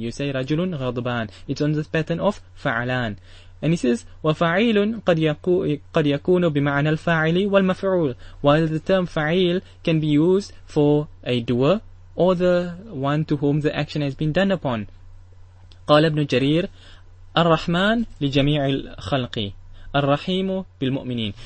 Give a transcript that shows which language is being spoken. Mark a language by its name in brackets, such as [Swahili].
[English] You say [Arabic] رجل غضبان. [English] It's on the pattern of فعلان. And he says [Arabic] وفعيل قد يكون بمعنى الفاعل والمفعول. [English] While the term فعيل can be used for a doer or the one to whom the action has been done upon. [Arabic] قال ابن جرير الرحمن لجميع الخلق الرحيم بالمؤمنين.